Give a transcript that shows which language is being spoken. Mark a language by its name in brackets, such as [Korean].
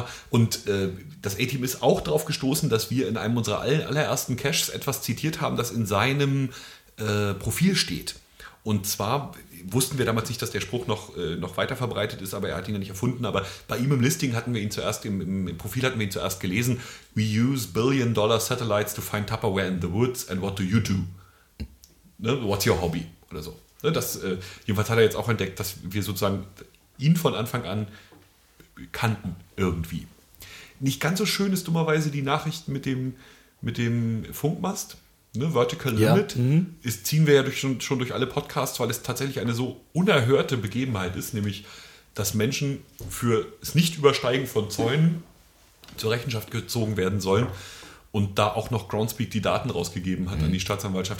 [German] Und das A-Team ist auch darauf gestoßen, dass wir in einem unserer allerersten Caches etwas zitiert haben, das in seinem Profil steht. Und zwar wussten wir damals nicht, dass der Spruch noch weiter verbreitet ist, aber er hat ihn ja nicht erfunden. Aber bei ihm im Listing hatten wir ihn zuerst, im Profil hatten wir ihn zuerst gelesen. [English] We use billion-dollar satellites to find Tupperware in the woods and what do you do? [German] Ne? [English] What's your hobby? [German] Oder so. Ne? Das, jedenfalls hat er jetzt auch entdeckt, dass wir sozusagen ihn von Anfang an kannten irgendwie. Nicht ganz so schön ist dummerweise die Nachricht mit dem Funkmast. Ne, Vertical Limit, ja, ziehen wir ja schon durch alle Podcasts, weil es tatsächlich eine so unerhörte Begebenheit ist, nämlich, dass Menschen für das Nicht-Übersteigen von Zäunen zur Rechenschaft gezogen werden sollen und da auch noch Groundspeak die Daten rausgegeben hat an die Staatsanwaltschaft.